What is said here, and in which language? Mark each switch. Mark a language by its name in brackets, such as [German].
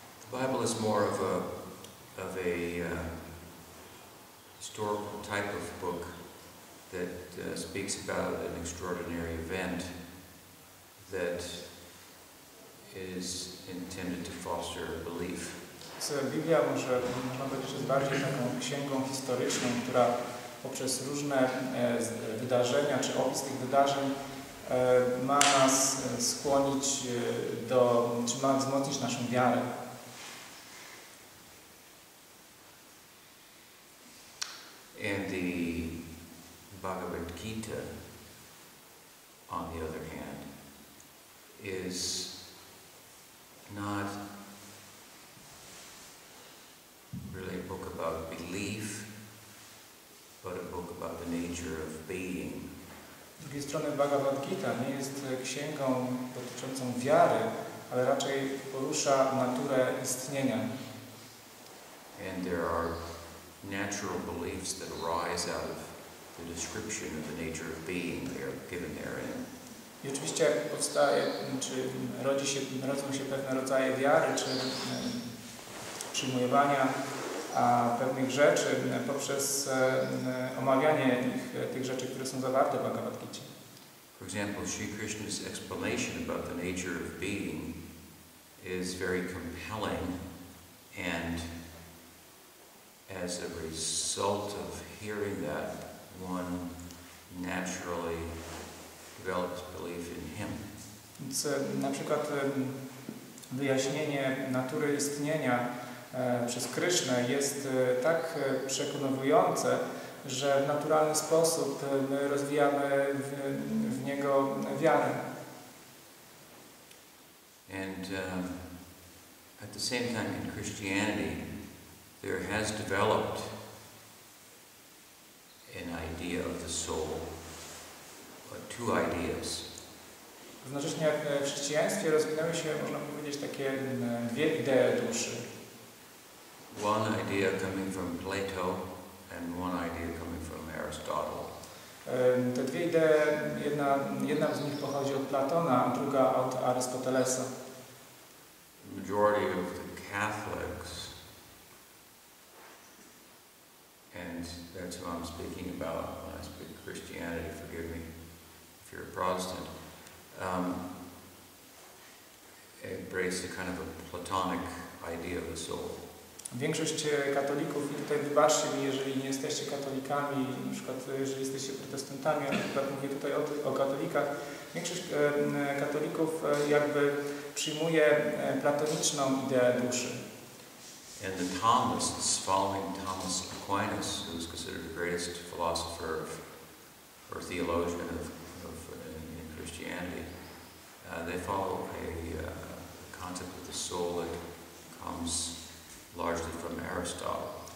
[English] The Bible is more of a historical type of book that speaks about an extraordinary event that is intended to foster belief. [Polish] So Biblia może być bardziej taką księgą historyczną, która poprzez różne wydarzenia czy opis tych wydarzeń ma nas skłonić do, czy ma wzmocnić naszą wiarę. [English] And the Bhagavad Gita, on the other hand, is not really a book about belief, but a book about the nature of being. [Polish] Z drugiej strony Bhagavad Gita nie jest księgą dotyczącą wiary, ale raczej porusza naturę istnienia. [English] And there are natural beliefs that arise out of the description of the nature of being they are given therein. [Polish] I oczywiście powstaje, czy rodzi się, rodzą się pewne rodzaje wiary, czy przyjmowania pewnych rzeczy poprzez omawianie tych rzeczy, które są zawarte w Bhagavad Gita. [English] For example, Sri Krishna's explanation about the nature of being is very compelling, and as a result of hearing that, one naturally develops belief in him. [Polish] Na przykład wyjaśnienie natury istnienia przez Krysznę jest tak przekonujące, że w naturalny sposób my rozwijamy w niego wiarę. [English] And at the same time in Christianity there has developed an idea of the soul. Two ideas. [Polish] Równocześnie w chrześcijaństwie rozwinęły się, można powiedzieć, takie dwie idee duszy. [English] One idea coming from Plato, and one idea coming from Aristotle. [Polish] Te dwie idee, jedna z nich pochodzi od Platona, a druga od Arystotelesa. [English] The majority of the Catholics, and that's who I'm speaking about when I speak Christianity, forgive me if you're a Protestant, embrace a kind of a Platonic idea of the soul. [Polish] Większość katolików, i tutaj wybaczcie mi, jeżeli nie jesteście katolikami, na przykład jeżeli jesteście protestantami, ale mówię tutaj o katolikach, większość katolików jakby przyjmuje platoniczną ideę duszy. [English] And the Thomists, following Thomas Aquinas, who is considered the greatest philosopher or theologian in Christianity, they follow a concept of the soul that comes largely from Aristotle.